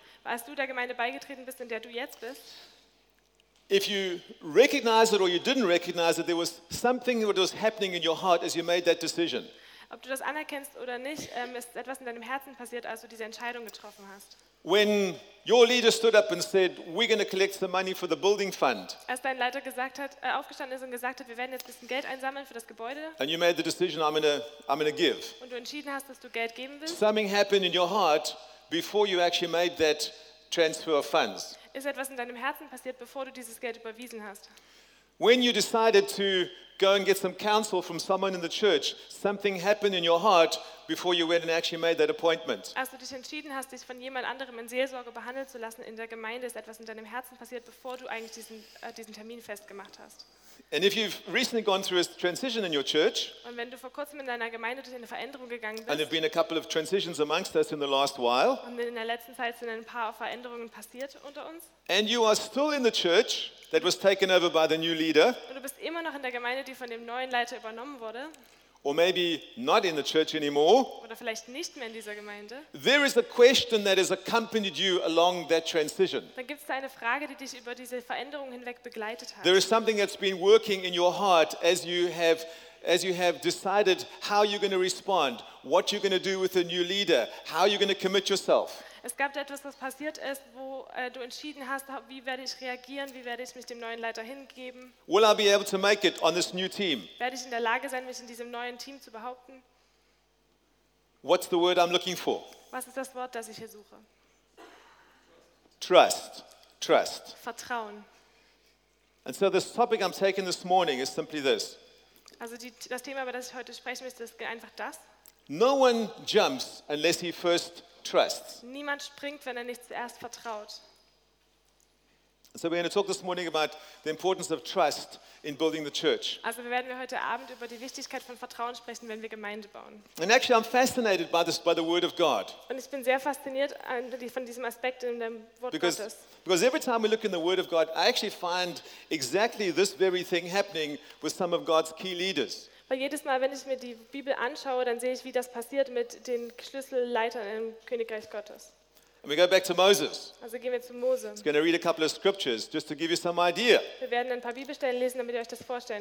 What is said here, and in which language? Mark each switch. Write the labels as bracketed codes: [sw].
[de] als du der Gemeinde beigetreten bist, in der du jetzt bist, [en] if you recognize it or you didn't recognize it, there was something that was happening in your heart as you made that decision. [de] Ob du das anerkennst oder nicht, ist etwas in deinem Herzen passiert, als du diese Entscheidung getroffen hast. [en] When your leader stood up and said, "We're going to collect the money for the building fund." [de] Als dein Leiter gesagt hat, aufgestanden ist und gesagt hat, wir werden jetzt ein bisschen Geld einsammeln für das Gebäude. [en] And you made the decision, I'm going to give. [de] Und du entschieden hast, dass du Geld geben willst. [en] Something happened in your heart before you actually made that transfer of funds. [de] Ist etwas in deinem Herzen passiert, bevor du dieses Geld überwiesen hast? [en] When you decided to go and get some counsel from someone in the church, something happened in your heart before you went and actually made that appointment. [de] Als du dich entschieden hast, dich von jemand anderem in Seelsorge behandeln zu lassen in der Gemeinde, ist etwas in deinem Herzen passiert, bevor du eigentlich diesen Termin festgemacht hast. [en] And if you've recently gone through a transition in your church, [de] und wenn du vor kurzem in deiner Gemeinde durch eine Veränderung gegangen bist, [en] and there've been a couple of transitions amongst us in the last while, [de] und in der letzten Zeit sind ein paar Veränderungen passiert unter uns, [en] and you are still in the church that was taken over by the new leader, [de] und du bist immer noch in der Gemeinde, die von dem neuen Leiter übernommen wurde, [en] or maybe not in the church anymore, [de] oder vielleicht nicht mehr in dieser Gemeinde, [en] there is a question that has accompanied you along that transition. [de] Dann gibt es da eine Frage, die dich über diese Veränderung hinweg begleitet hat. [en] There is something that's been working in your heart as you have decided how you're going to respond, what you're going to do with the new leader, how you're going to commit yourself. [de] Es gab da etwas, was passiert ist, wo du entschieden hast, wie werde ich reagieren, wie werde ich mich dem neuen Leiter hingeben? [en] Will I be able to make it on this new team? [de] Werde ich in der Lage sein, mich in diesem neuen Team zu behaupten? [en] What's the word I'm looking for? [de] Was ist das Wort, das ich hier suche? [en] Trust. Trust. [de] Vertrauen. [en] And so this topic I'm taking this morning is simply this. [de] Also das Thema, über das ich heute sprechen möchte, ist einfach das. [en] No one jumps unless he first trusts. [de] Niemand springt, wenn er nicht zuerst vertraut. [en] So we're going to talk this morning about the importance of trust in building the church. [de] Also werden wir heute Abend über die Wichtigkeit von Vertrauen sprechen, wenn wir Gemeinde bauen. [en] And actually I'm fascinated by this, by the word of God. [de] Und ich bin sehr fasziniert von diesem Aspekt in dem Wort Gottes. [en] Because every time we look in the word of God, I actually find exactly this very thing happening with some of God's key leaders. [de] Weil jedes Mal, wenn ich mir die Bibel anschaue, dann sehe ich, wie das passiert mit den Schlüsselleitern im Königreich Gottes. [en] And we go back to Moses. [de] Also gehen wir zu Mose. [en] He's going to read a couple of scriptures just to give you some idea. [de] Wir werden ein paar Bibelstellen lesen, damit ihr euch das vorstellen